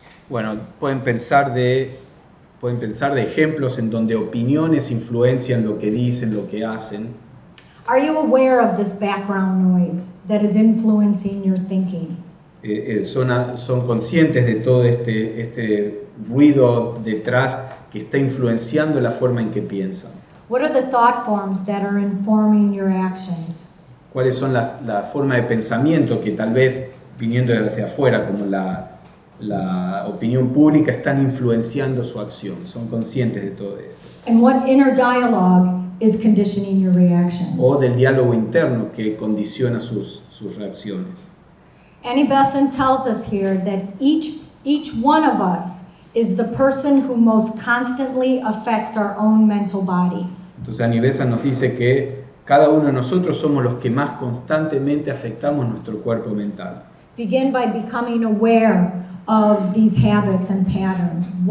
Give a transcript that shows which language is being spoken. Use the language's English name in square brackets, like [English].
[Spanish] Bueno, pueden pensar de ejemplos en donde opiniones influencian lo que dicen, lo que hacen. [English] Are you aware of this background noise that is influencing your thinking? [Spanish] Son conscientes de todo este ruido detrás que está influenciando la forma en que piensan. [English] What are the thought forms that are informing your actions? [Spanish] ¿Cuáles son la forma de pensamiento que tal vez viniendo desde afuera, como la opinión pública, están influenciando su acción? Son conscientes de todo esto. [English] And what inner dialogue is conditioning your reactions? [Spanish] O del diálogo interno que condiciona sus reacciones. [English] Annie Besant tells us here that each one of us is the person who most constantly affects our own mental body. [Spanish] Entonces Annie Besant nos dice que cada uno de nosotros somos los que más constantemente afectamos nuestro cuerpo mental. [English] Begin by becoming aware of these habits and patterns.